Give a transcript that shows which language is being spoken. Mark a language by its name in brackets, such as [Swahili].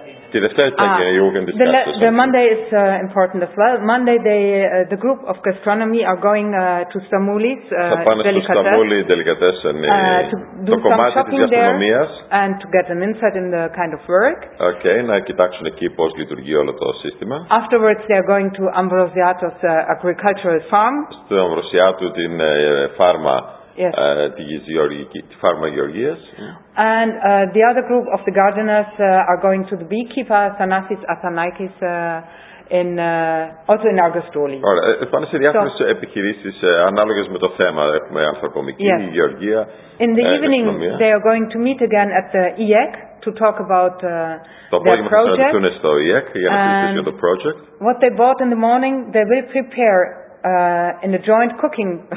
[Greek] Τη Δευτέρα και [English] you can discuss. The Monday is important as well. Monday the group of gastronomy are going to Stamoulis. [Greek] Θα πάνε στο Σταμούλι Delicatessen. [English] To do some shopping there and to get an insight in the kind of work. [Greek] Okay, να κοιτάξουν εκεί πώς λειτουργεί όλο το σύστημα. [English] Afterwards they are going to Ambrosiatos agricultural farm. [Greek] Στο Ambrosiatou την φάρμα. Yes. Τη φάρμα Γεωργίας. [English] And the other group of the gardeners are going to the beekeeper Thanasis Athanaikis in also in Argostoli. [Greek] Ωραία, πάνε σε διάφορες επιχειρήσεις ανάλογες με το θέμα, έχουμε ανθρωπομική, [English] yes. [Greek] Γεωργία. [English] In the evening they are going to meet again at the EEC to talk about [Greek] το [English] their project. [Greek] Θα συναντηθούν στο EEC για να συζητήσουν το project. [English] What they bought in the morning, they will prepare in a joint cooking.